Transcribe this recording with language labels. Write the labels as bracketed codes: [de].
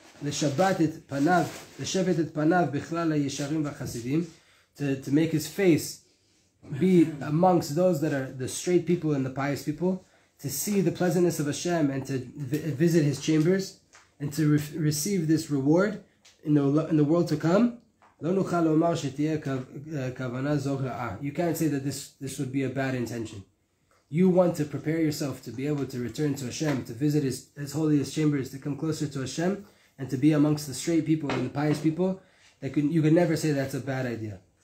[he] לשבת את פניו, לשבת את פניו בכלל הישרים והחסידים, [en] to make his face be amongst those that are the straight people and the pious people, to see the pleasantness of Hashem and to visit his chambers and to receive this reward in the world to come. [he] לא נוכל לומר שתהיה כוונה זו רעה. [en] You can't say that this would be a bad intention. You want to prepare yourself to be able to return to Hashem, to visit his holiest chambers, to come closer to Hashem, and to be amongst the straight people and the pious people. You could never say that's a bad idea.